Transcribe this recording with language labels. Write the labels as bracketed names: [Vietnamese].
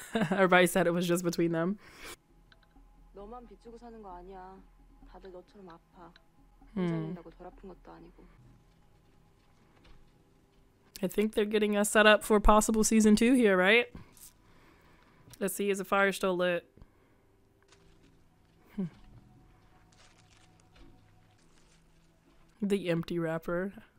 [English] Everybody said it was just between them. [Korean] 너만 빚지고 사는 거 아니야. 다들 너처럼 아파. 인정한다고 덜 아픈 것도 아니고. [English] I think they're getting us set up for possible season 2 here, right? Let's see, is the fire still lit? Hmm. The empty wrapper.